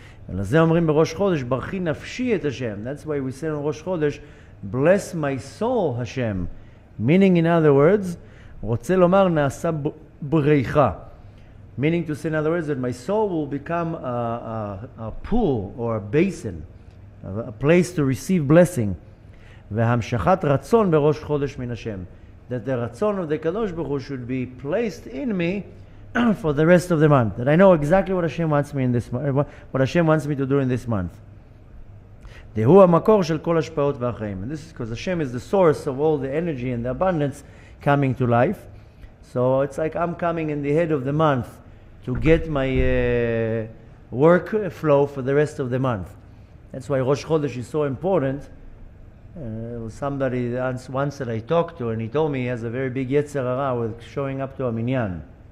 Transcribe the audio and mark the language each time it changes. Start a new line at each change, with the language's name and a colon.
Hebrew: Ve'lazeh omrim b'rosh chodesh, barchi nafshi et Hashem.
English: That's why we say on Rosh Chodesh, bless my soul, Hashem. Meaning, in other words,
Hebrew: רוצה לומר נעשה בריחה.
English: Meaning to say, in other words, that my soul will become a pool or a basin, a place to receive blessing.
Hebrew: והמשכת רצון בראש חודש מן השם.
English: That the רצון of the Kadosh Baruch Hu should be placed in me for the rest of the month. That I know exactly what Hashem wants me in this what Hashem wants me to do in this month.
Hebrew: דהו המקור של כל השפעות והחיים.
English: And this is because Hashem is the source of all the energy and the abundance coming to life. So it's like I'm coming in the head of the month to get my work flow for the rest of the month. That's why Rosh Chodesh is so important. Somebody once that I talked to, and he told me he has a very big Yetzer Hara with showing up to a minyan.